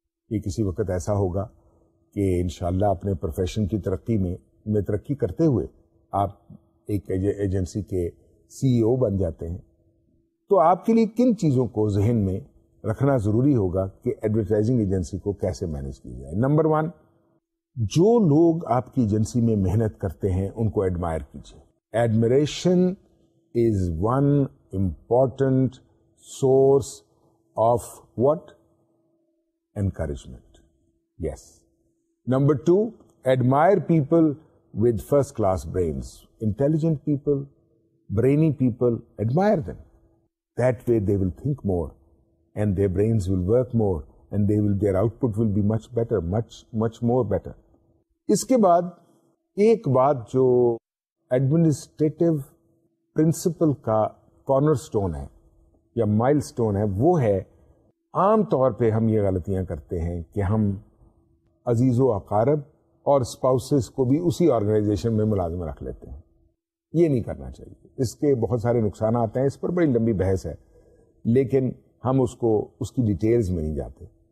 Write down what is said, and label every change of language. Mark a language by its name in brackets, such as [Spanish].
[Urdu] یہ کسی وقت ایسا ہوگا کہ انشاءاللہ اپنے پروفیشن کی ترقی میں ترقی کرتے ہوئے آپ ایک ایجنسی کے سی ای او بن جاتے ہیں, تو آپ کے لیے کن چیزوں کو ذہن میں رکھنا ضروری ہوگا کہ ایڈورٹائزنگ ایجنسی کو کیسے مینیج کیا جائے. نمبر ون, جو لوگ آپ کی ایجنسی میں محنت کرتے ہیں ان کو ایڈمائر کیجیے. [English] Admiration is one important source of what? Encouragement. Yes. Number two, admire people with first class brains. Intelligent people, brainy people, admire them. That way they will think more and their brains will work more and they will their output will be much better, much more better. [Urdu] Iske baad ek baat jo administrative principle ka cornerstone hai یا مائل stone ہے وہ ہے عام طور پہ ہم یہ غلطیاں کرتے ہیں کہ ہم عزیز و اقارب اور اسپاؤسز کو بھی اسی آرگنائزیشن میں ملازم رکھ لیتے ہیں. یہ نہیں کرنا چاہیے, اس کے بہت سارے نقصانات ہیں, اس پر بڑی لمبی بحث ہے, لیکن ہم اس کو اس کی ڈیٹیلز میں نہیں جاتے.